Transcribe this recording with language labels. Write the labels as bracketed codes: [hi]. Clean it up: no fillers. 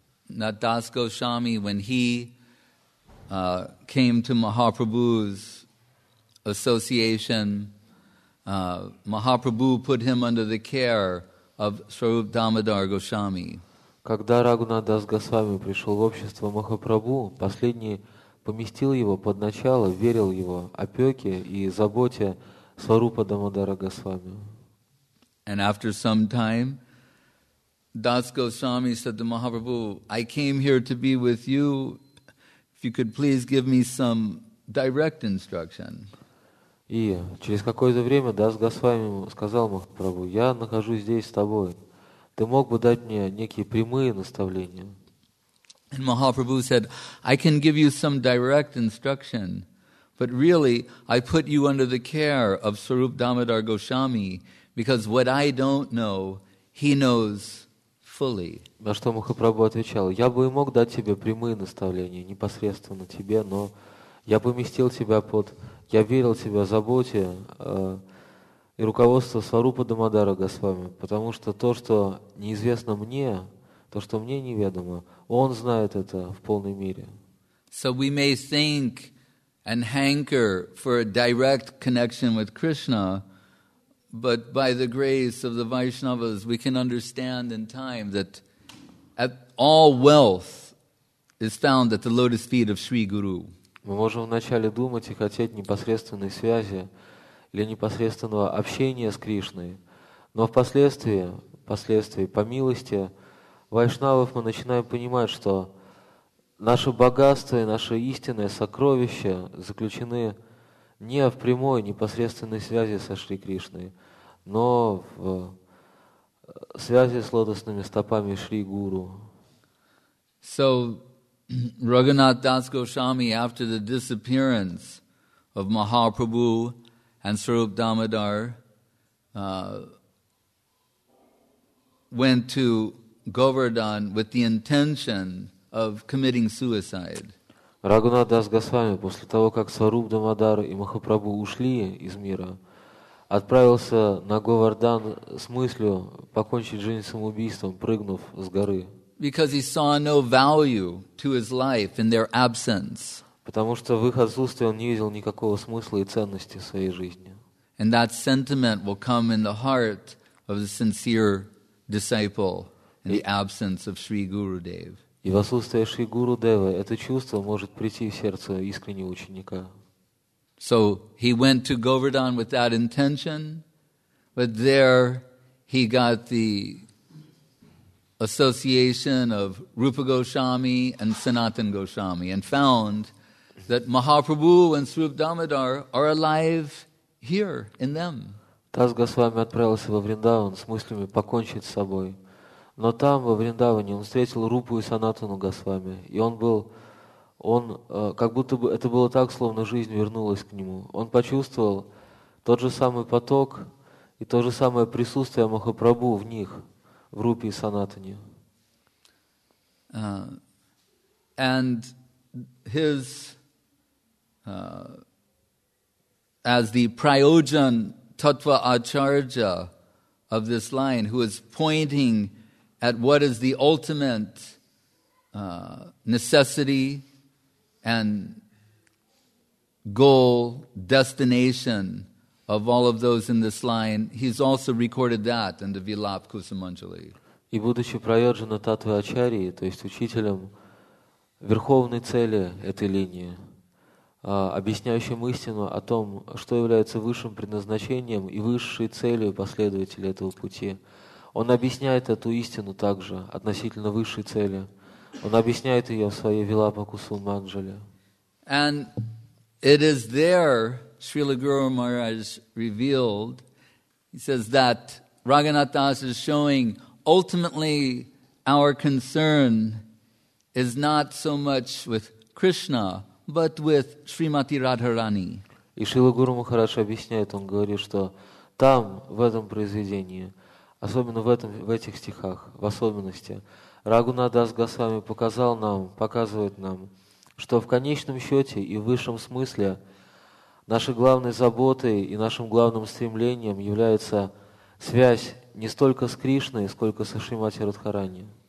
[en] That Das Goswami, when he came to Mahaprabhu's association, Mahaprabhu put him under the care of Swarup Damodar Goswami. [ru] Когда Рагхунат Дас Госвами пришел в общество Махапрабху, последний поместил его под начало, верил его опеке и заботе Сварупа Дамодара Госвами. [en] And after some time, Das Goswami said to Mahaprabhu, I came here to be with you. If you could please give me some direct instruction. [ru] И через какое-то время Дас Госвами сказал Махапрабху, я нахожусь здесь с тобой. Ты мог бы дать мне некие прямые наставления? [en] And Mahaprabhu said, I can give you some direct instruction, but really, I put you under the care of Swarup Damodar Goswami, because what I don't know, he knows fully. [ru] На что Махапрабху отвечал, я бы и мог дать тебе прямые наставления, непосредственно тебе, но я поместил тебя под, я верил тебя заботе, и руководство Сварупа Дамодара Госвами, потому что то, что неизвестно мне, то, что мне неведомо, он знает это в полной мере. [en] So we may think and hanker for a direct connection with Krishna, but by the grace of the Vaishnavas, we can understand in time that all wealth is found at the lotus feet of Sri Guru. [ru] Мы можем вначале думать и хотеть непосредственной связи или непосредственного общения с Кришной. Но впоследствии, по милости вайшнавов, мы начинаем понимать, что наше богатство и наше истинное сокровище заключены не в прямой, непосредственной связи со Шри Кришной, но в связи с лотосными стопами Шри Гуру. [en] So, Raghunath Das Goswami, after the disappearance of Mahaprabhu and Swarup Damodar, went to Govardhan with the intention of committing suicide. [ru] Raghunath Das Goswami, после того как Swarup Damodar и Махапрабху ушли из мира, отправился на Говардан с мыслью покончить жизнь самоубийством, прыгнув с горы. [en] Because he saw no value to his life in their absence. [ru] Потому что в их отсутствии он не видел никакого смысла и ценности в своей жизни. [en] And that sentiment will come in the heart of the sincere disciple in the absence of Sri Gurudev. [ru] И в отсутствие Шри Гурудева это чувство может прийти в сердце искреннего ученика. [en] So he went to Govardhan with that intention, but there he got the association of Rupa Goswami and Sanatan Goswami and found that Mahaprabhu and Swarup Damodar are alive here in them. [ru] Дас Госвами отправился во Вриндаван с мыслями покончить с собой. Но там, во Вриндаване, он встретил Рупу и Санатану Госвами. И он был, он, как будто бы это было так, словно жизнь вернулась к нему. Он почувствовал тот же самый поток и то же самое присутствие Махапрабху в них, в Рупе и Санатане. [en] And his, as the Prayojan Tattva Acharya of this line, who is pointing at what is the ultimate necessity and goal, destination of all of those in this line, he's also recorded that in the Vilap Kusumanjali. [ru] И будучи Прайоджана Таттвы Ачарьи, то есть учителем верховной цели этой линии, объясняющим истину о том, что является высшим предназначением и высшей целью последователей этого пути, он объясняет эту истину также относительно высшей цели. Он объясняет ее в своей Вилапа Кусумманджале. [en] And it is there Srila Guru Maharaj revealed, he says that Raghunath Das is showing ultimately our concern is not so much with Krishna, but with Srimati Radharani. [ru] И Шрила Гуру Махарадж объясняет, он говорит, что там, в этом произведении, особенно в этих стихах, в особенности, Рагхунат Дас Госвами показал нам, показывает нам, что в конечном счете и в высшем смысле нашей главной заботой и нашим главным стремлением является связь не столько с Кришной, сколько со Шримати Радхарани.